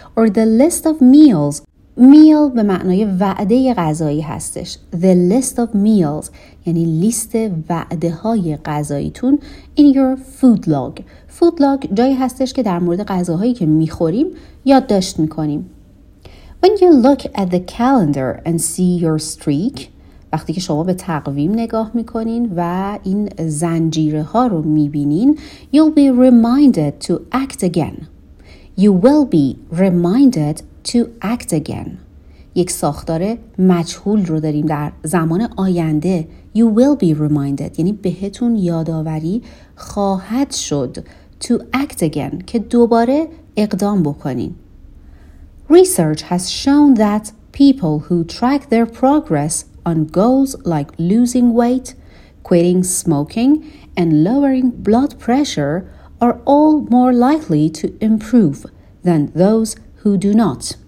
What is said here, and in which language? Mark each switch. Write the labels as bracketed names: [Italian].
[English] Or the list of meals. [Persian] Meal به معنای وعده غذایی هستش. [English] The list of meals [Persian] یعنی لیست وعده های غذاییتون. [English] In your food log. [Persian] Food log جایی هستش که در مورد غذاهایی که میخوریم یاد داشت میکنیم. [English] When you look at the calendar and see your streak. [Persian] وقتی که شما به تقویم نگاه میکنین و این زنجیره ها رو میبینین. [English] You'll be reminded to act again. You will be reminded to act again. [Persian] یک ساختار مجهول رو داریم در زمان آینده. [English] You will be reminded. [Persian] یعنی بهتون یادآوری خواهد شد. [English] To act again. [Persian] که دوباره اقدام بکنین. [English] Research has shown that people who track their progress on goals like losing weight, quitting smoking, and lowering blood pressure are all more likely to improve than those who do not.